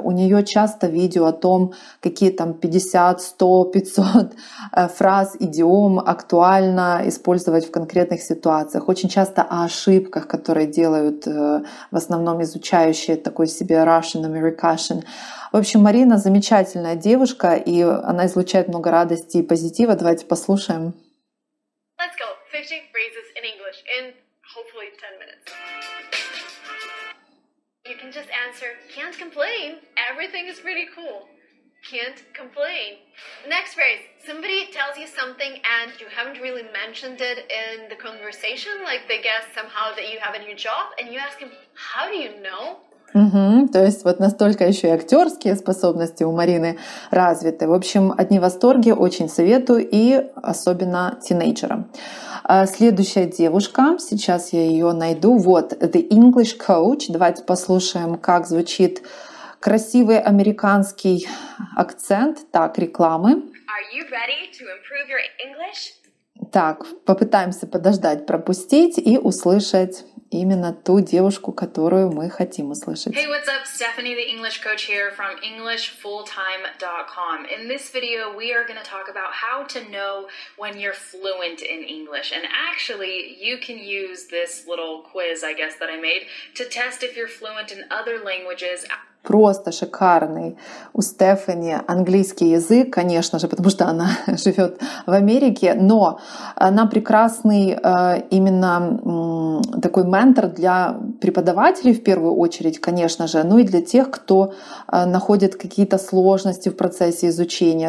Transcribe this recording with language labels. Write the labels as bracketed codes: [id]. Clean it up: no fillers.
[ru] У нее часто видео о том, какие там 50, 100, 500 фраз, идиом актуально использовать в конкретных ситуациях. Очень часто о ошибках, которые делают в основном изучающие такой себе [en] Russian American. [ru] В общем, Марина замечательная девушка, и она излучает много радости и позитива. Давайте послушаем. [en] Let's go. 50 phrases in English in hopefully 10 minutes. You can just answer, can't complain. Everything is pretty cool. Can't complain. Next phrase. Somebody tells you something and you haven't really mentioned it in the conversation, like they guess somehow that you have a new job, and you ask him, how do you know? Угу. [ru] То есть вот настолько еще и актерские способности у Марины развиты. В общем, одни восторги, очень советую, и особенно тинейджерам. Следующая девушка, сейчас я ее найду, вот The English Coach. Давайте послушаем, как звучит красивый американский акцент, так, рекламы. [en] Are you ready to improve your English? [ru] Так, попытаемся подождать, пропустить и услышать именно ту девушку, которую мы хотим услышать. [en] Hey, what's up? Stephanie, the English coach here from EnglishFullTime.com. In this video, we are going to talk about how to know when you're fluent in English. And actually, you can use this little quiz, I guess, that I made to test if you're fluent in other languages. [ru] Просто шикарный у Стефани английский язык, конечно же, потому что она живет в Америке, но она прекрасный именно такой ментор для преподавателей в первую очередь, конечно же, ну и для тех, кто находит какие-то сложности в процессе изучения.